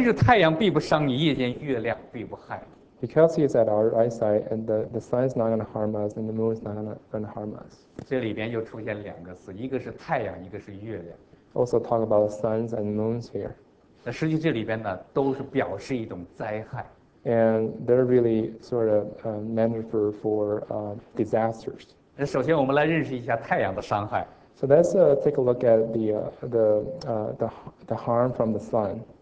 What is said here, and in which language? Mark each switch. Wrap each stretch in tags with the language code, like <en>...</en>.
<zh>由于耶和华在我们的右边保护我们，所以第六节，白日太阳必不伤你，夜间月亮必不害你。</zh> <en>Because he is at our right side, and the sun is not going to harm us, and the moon is not going to harm us.</en> <zh>这里边又出现两个词，一个是太阳，一个是月亮。</zh> <en>Also talk about the suns and moons here.</en> <zh>那实际这里边呢，都是表示一种灾害。</zh> <en>And they're really sort of metaphor for disasters.</en> <zh>那首先我们来认识一下太阳的伤害。</zh> <en>So let's take a look at the harm from the sun.</en>